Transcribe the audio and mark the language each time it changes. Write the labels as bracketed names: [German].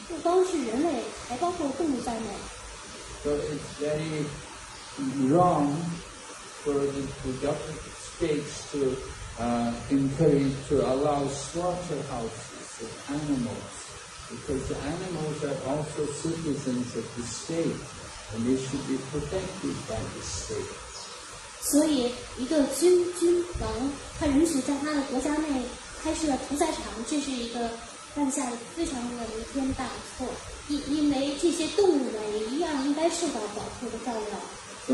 [Chinese] 所以这个君主呢，他就有责任负责保护所有的他的臣民，不光是人类，还包括动物在内。 [English] So it's very wrong for the government states to encourage to allow slaughterhouses of animals, because the animals are also citizens of the state, and they should be protected by the state. [Chinese] 所以，一个君王，他允许在他的国家内开设屠宰场，这是一个犯下非常的弥天大错。因为这些动物呢，也一样应该受到保护的照料。 [English] So